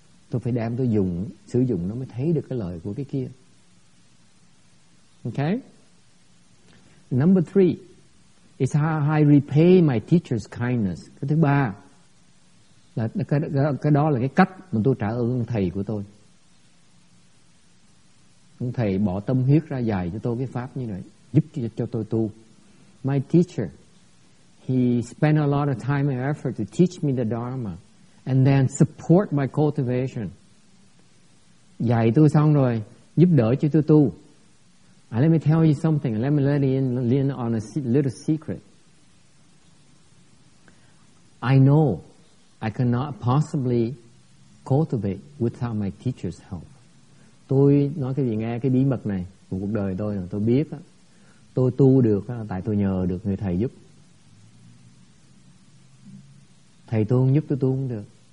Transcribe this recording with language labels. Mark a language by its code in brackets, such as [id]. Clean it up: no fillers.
[vi] Tôi phải đem tôi dùng, sử dụng nó mới thấy được cái lời của cái kia. [en] Okay. Number three. It's how I repay my teacher's kindness. [vi] Cái thứ ba là cái đó là cái cách mà tôi trả ơn ông thầy của tôi. Ông thầy bỏ tâm huyết ra dạy cho tôi cái pháp như này, giúp cho tôi tu. [en] My teacher, he spent a lot of time and effort to teach me the Dharma and then support my cultivation. [vi] Dạy tôi xong rồi, giúp đỡ cho tôi tu. [en] Let me tell you something. Let me let you in on a little secret. I know I cannot possibly cultivate without my teacher's help. [vi] Tôi nói cái gì nghe cái bí mật này của cuộc đời tôi, tôi biết đó. Tôi tu được đó, tại tôi nhờ được người thầy giúp. Thầy tôi không giúp tôi không được.